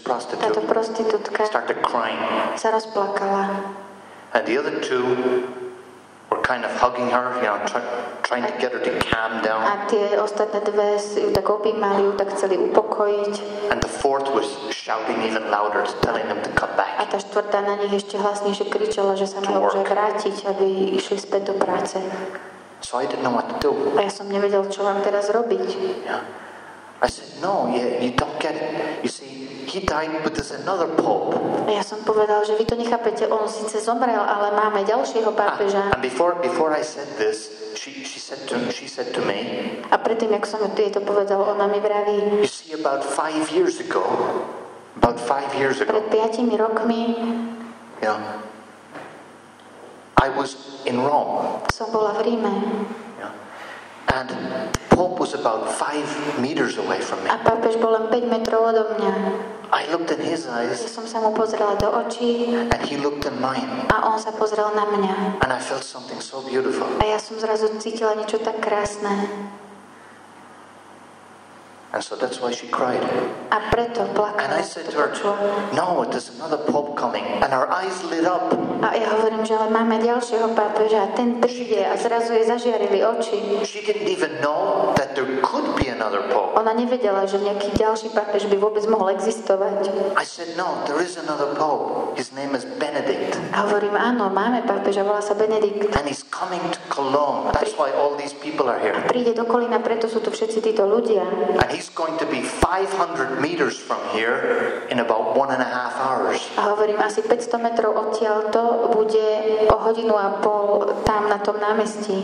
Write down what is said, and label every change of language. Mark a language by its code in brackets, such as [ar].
[en] This prostitute started crying. [sk] Sa rozplakala. [en] And the other two were kind of hugging her, you know, trying to get her to calm down. [sk] A tie ostatné dve ju tak obýmali, ju tak chceli upokojiť. [en] And the fourth was shouting even louder, telling them to come back. [sk] A tá štvrtá na nich ešte hlasnejšie kričala, že sa majú už vrátiť, aby išli späť do práce. [en] So I didn't know what to do. [sk] A ja som nevedel, čo mám teraz robiť. [en] Yeah. I said, no, you don't get it. You see, he died, but there's another pope. [sk] Ja som povedal, že vy to nechápete, on síce zomrel, ale máme ďalšieho pápeža. [en] And before I said this, she said to me. [sk] A predtým, ako som jej to povedal, ona mi vraví. [en] You see, about five years ago. [sk] Pred 5 rokmi. [en] Yeah. I was in Rome. [sk] Som bola v Ríme. Yeah. [en] And the Pope was about 5 meters away from me. [sk] A pápež bol len 5 metrov odo mňa. [en] I looked in his eyes. [sk] Ja som sa mu pozrela do očí. [en] And he looked in mine. [sk] A on sa pozrel na mňa. [en] And I felt something so beautiful. [sk] A ja som zrazu cítila niečo tak krásne. [en] And so that's why she cried. [sk] A preto plakala. [en] And I said to her, no, there's another pope coming. And her eyes lit up. [sk] A ja hovorím, že ale máme ďalšieho pápeža. Ten príde a zrazu jej zažiarili oči. [en] She didn't even know that there could be another pope. [sk] Ona nevedela, že nejaký ďalší pápež by vôbec mohol existovať. [en] I said, no, there is another pope. His name is Benedict. [sk] A hovorím, áno, máme pápeža, volá sa Benedikt. [en] And he's coming to Cologne. That's why all these people are here. [sk] A príde do Kolína, preto sú tu všetci títo ľudia. [en] And he's going to be 500 meters from here in about 1.5 hours. [sk] A hovorím, asi 500 metrov odtiaľto bude o hodinu a pol tam na tom námestí.